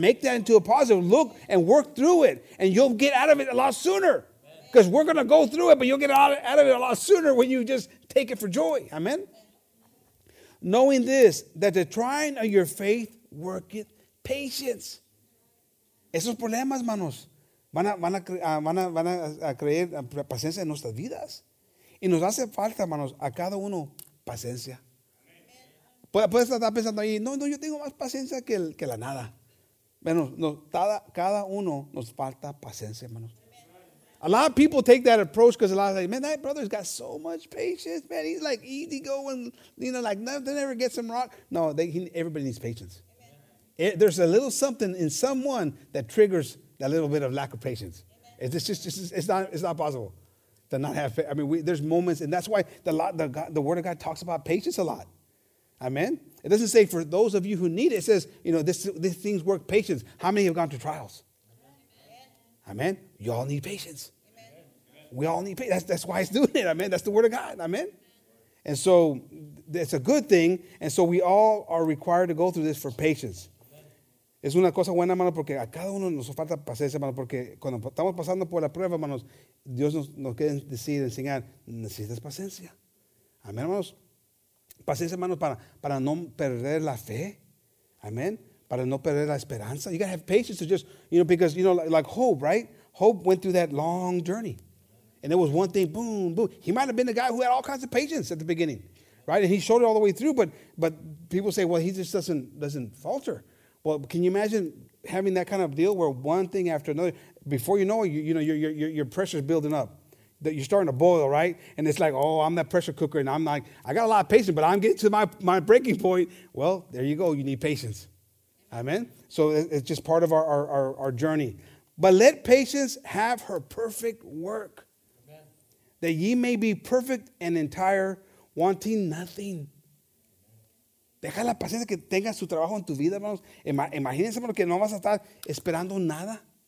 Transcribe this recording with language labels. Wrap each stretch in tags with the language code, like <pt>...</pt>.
<en>Make that into a positive. Look and work through it, and you'll get out of it a lot sooner. Because we're going to go through it, but you'll get out of it a lot sooner when you just take it for joy. Amen. Knowing this, that the trying of your faith worketh patience.</en> <es>Esos problemas, manos, van a creer paciencia en nuestras vidas. Y nos hace falta, manos, a cada uno paciencia. Puedes estar pensando ahí, no, yo tengo más paciencia que la nada. Bueno, cada uno nos falta paciencia, manos.</es> <en>A lot of people take that approach because a lot of like, man, that brother's got so much patience, man. He's like easy going, you know, like nothing ever gets him wrong. No, everybody needs patience. There's a little something in someone that triggers that little bit of lack of patience. It's not possible to not have faith. I mean, there's moments, and that's why the Word of God talks about patience a lot. Amen. It doesn't say for those of you who need it. It says, you know, these things work patience. How many have gone through trials? Amen. You all need patience. Amen. We all need patience. That's why it's doing it. Amen. That's the Word of God. Amen. And so it's a good thing. And so we all are required to go through this for patience.</en> <es>Es una cosa buena, hermano, porque a cada uno nos falta paciencia, hermano, porque cuando estamos pasando por la prueba, hermanos, Dios nos quiere decir, enseñar, necesitas paciencia. Amen, hermanos. Paciencia, hermanos, para no perder la fe. Amen. Para no perder la esperanza.</es> <en>You got to have patience to just, you know, because, you know, like hope, right? Hope went through that long journey. And it was one thing, boom, boom. He might have been the guy who had all kinds of patience at the beginning, right? And he showed it all the way through. But people say, well, he just doesn't falter. Well, can you imagine having that kind of deal where one thing after another, before you know it, you know, your pressure is building up. that you're starting to boil, right? And it's like, oh, I'm that pressure cooker, and I'm like, I got a lot of patience, but I'm getting to my breaking point. Well, there you go. You need patience. Amen? So it's just part of our journey. But let patience have her perfect work, amen, that ye may be perfect and entire, wanting nothing.</en> <es>Deja la paciencia que tenga su trabajo en tu vida, hermanos. Imagínense, hermanos, que no vas a estar esperando nada.</es>